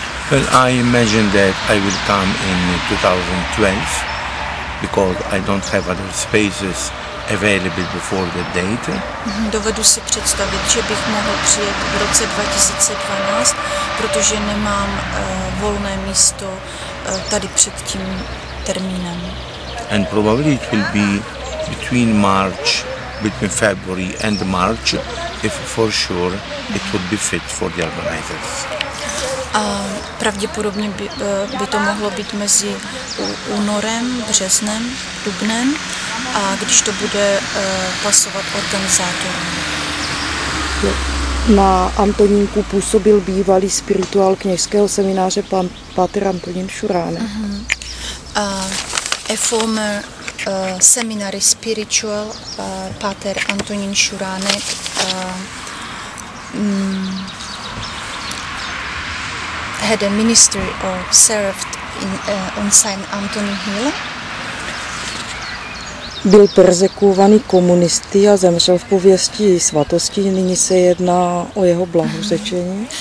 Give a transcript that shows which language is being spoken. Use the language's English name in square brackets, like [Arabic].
[English] Well, I imagine that I will come in 2012, because I don't have other spaces available before the date. [Czech] Dovedu si představit, že bych mohl přijet v roce 2012, protože nemám volné místo tady před tím termínem. [English] And probably it will be between March, between February and March, if for sure it would be fit for the organizers. [Czech] Pravděpodobně by to mohlo být mezi únorem, březnem, dubnem, a když to bude pasovat organizátorům. Na Antonínku působil bývalý spirituál kněžského semináře pan páter Antonín Šuránek. [English] A former seminary spiritual páter Antonín Šuránek. Had a ministry or served in on Saint Anthony Hill. [Czech] Byl perzekuovaný komunisty a zemřel v pověsti svatosti. Nyní se jedná o jeho blahořečení.